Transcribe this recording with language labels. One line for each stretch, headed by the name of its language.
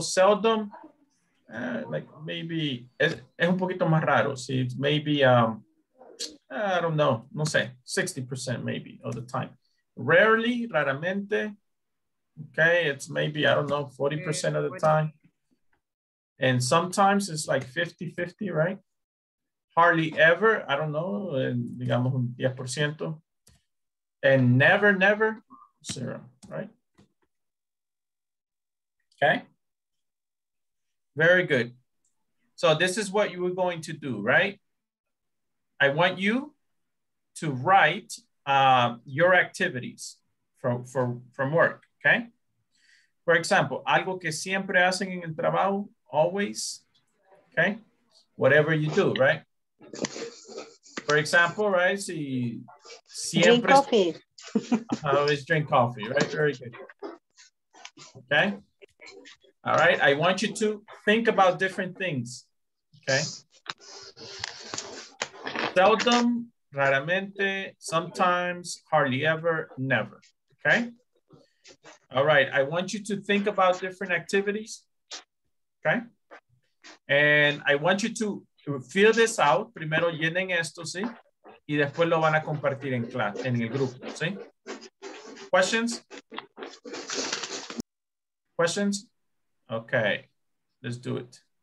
English: Seldom, like maybe,
Spanish: es un poquito más raro.
English: See, it's maybe, I don't know,
Spanish: no sé,
English: 60% maybe of the time. Rarely, raramente. Okay. It's maybe, I don't know, 40% of the time. And sometimes it's like 50-50, right? Hardly ever, I don't know,
Spanish: digamos un 10%.
English: And never, never, zero, right? Okay. Very good. So this is what you were going to do, right? I want you to write your activities from work, okay? For example,
Spanish: algo que siempre hacen en el trabajo, always, okay?
English: Whatever you do, right? For example, right? Si, siempre, drink coffee. I always drink coffee, right? Very good. Okay. All right. I want you to think about different things. Okay. Seldom, raramente, sometimes, hardly ever, never. Okay. All right. I want you to think about different activities. Okay. And I want you to fill this out.
Spanish: Primero llenen esto, ¿sí? Y después lo van a compartir en clase, en el grupo, ¿sí?
English: Questions? Questions? Okay, let's do it.